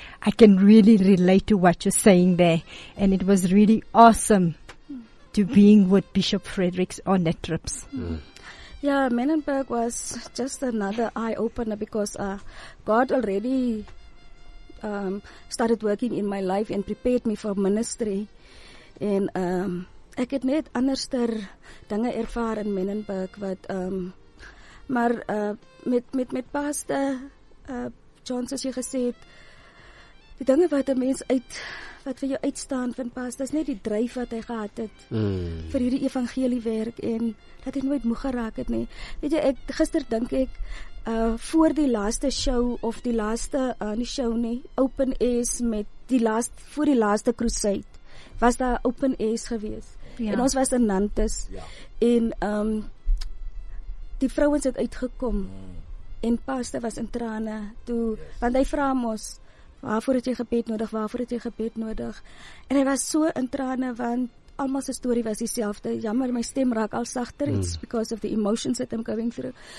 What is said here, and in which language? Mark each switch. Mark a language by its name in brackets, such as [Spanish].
[English] I can really relate to what you're saying there. And it was really awesome to being with Bishop Fredericks on that trips. Yeah, Manenberg was just another eye-opener because God already started working in my life and prepared me for ministry. [Afrikaans] And ek het net anderster dinge ervaar in Manenberg wat, maar met Pastor John, soos jy gesê het, die dinge wat 'n mens uit, wat vir jou uitstaan van Pas, dis net die dryf wat hy gehad het vir hierdie evangeliewerk en dat hy nooit moeg geraak het nie. Weet jy, ek gister dink ek, voor die laaste show of die laaste, nie show nie, open is met die laaste, voor die laaste crusade, was daar open is gewees. Ja. En ons was in Nantes. Ja. En die vrouens het uitgekom en Paste was in trane toe, [English] yes. [Afrikaans] Want hy vra ons, waarvoor het jy gebed nodig, waarvoor het jy gebed nodig? En hy was so in trane, want almal sy story was dieselfde. Jammer, my stem raak al sagter, [English] it's because of the emotions that I'm going through.